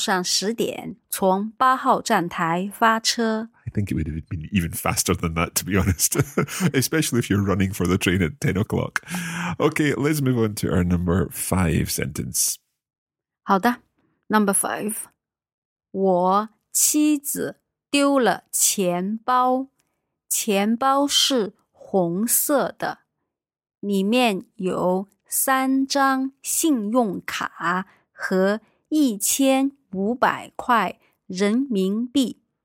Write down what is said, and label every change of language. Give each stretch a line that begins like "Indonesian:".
Chinese: 去北京的火车早上10点从8号站台发车。
English: I think it would have been even faster than that, to be honest. Especially if you're running for the train at 10 o'clock. Okay, let's move on to our number five sentence. 好的, number five.
Chinese: 我妻子丢了钱包。钱包是红色的。里面有3张信用卡和1500块人民币。